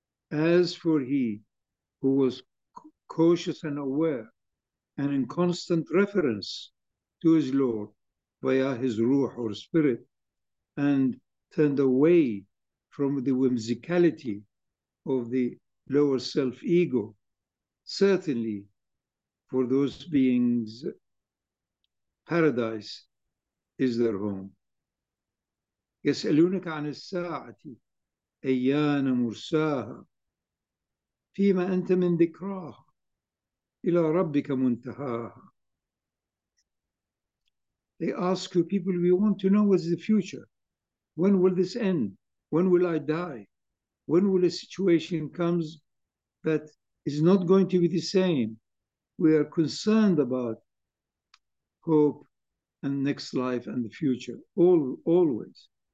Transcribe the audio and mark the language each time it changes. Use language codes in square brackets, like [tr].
[en] As for he who was cautious and aware and in constant reference to his Lord via his ruh or spirit and turned away from the whimsicality of the lower self-ego, certainly for those beings, paradise is their home. [ar] يسألونك عن الساعة أيان مرساها فيما أنت من ذكراها إلى ربك منتهاها. [en] They ask you, people, we want to know what's the future. When will this end? When will I die? When will a situation comes that is not going to be the same? We are concerned about hope and next life and the future, always.